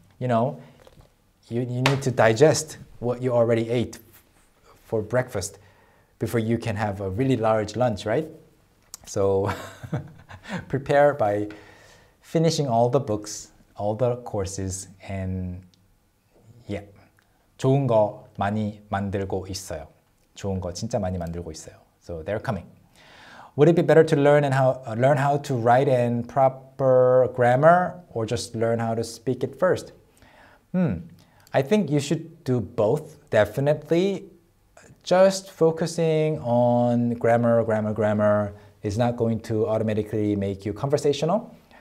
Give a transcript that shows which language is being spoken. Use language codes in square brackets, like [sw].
[en] You know, you need to digest what you already ate for breakfast before you can have a really large lunch, right? So prepare by finishing all the books, all the courses, and yeah. [ko] 좋은 거 많이 만들고 있어요. 좋은 거 진짜 많이 만들고 있어요. [en] So they're coming. Would it be better to learn how to write in proper grammar or just learn how to speak it first? I think you should do both, definitely. Just focusing on grammar is not going to automatically make you conversational.